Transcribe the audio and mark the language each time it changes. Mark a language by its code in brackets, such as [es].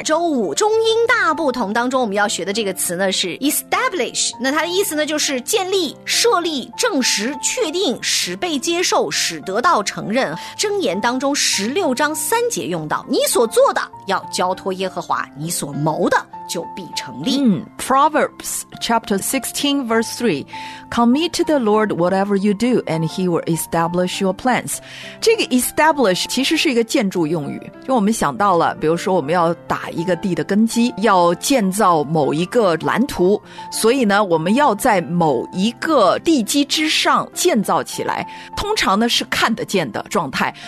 [zh] 周五中英大不同当中我们要学的这个词呢是 establish， 那它的意思呢就是建立、设立、证实、确定、使被接受、使得到承认。箴言当中16:3用到，你所做的要交托耶和华，你所谋的就必成立。 [en] Proverbs chapter 16 verse 3， Commit to the Lord whatever you do and he will establish your plans。 [zh] 这个 establish 其实是一个建筑用语，就我们想到了比如说我们要打一个地的根基，要建造某一个蓝图，所以呢我们要在某一个地基之上建造起来，通常呢是看得见的状态。